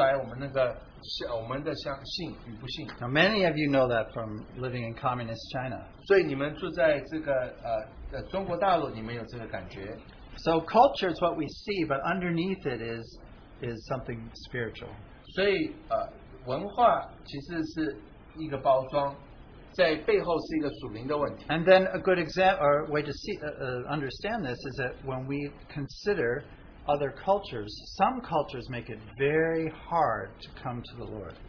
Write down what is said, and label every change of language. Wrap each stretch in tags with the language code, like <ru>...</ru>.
<zh>我们所做的，我们的行为就会反映出来我们那个我们的相信与不信。</zh> <en>Now many of you know that from living in communist China.</en> <zh>所以你们住在这个中国大陆，你们有这个感觉。</zh> <en>So culture is what we see, but underneath it is something spiritual.</en> <zh>所以文化其实是一个包装。</zh> <en>And then a good example or way to see understand this is that when we consider other cultures, some cultures make it very hard to come to the Lord.</en>